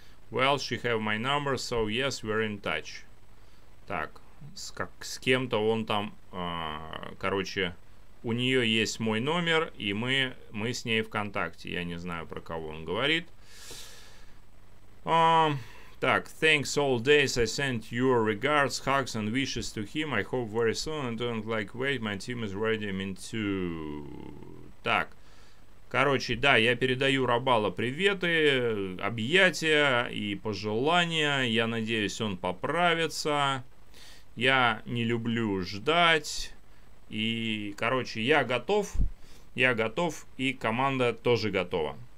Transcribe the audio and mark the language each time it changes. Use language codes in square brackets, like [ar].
[en] Well, she have my number, so yes, we're in touch. [ru] Так. С кем-то он там... короче, у нее есть мой номер, и мы с ней ВКонтакте. Я не знаю, про кого он говорит. [en] Так, thanks all days, I sent your regards, hugs and wishes to him, I hope very soon, and don't like wait, my team is ready, I mean to... [ru] Так, короче, да, я передаю Рабалу приветы, объятия и пожелания, я надеюсь, он поправится, я не люблю ждать, и, короче, я готов, и команда тоже готова.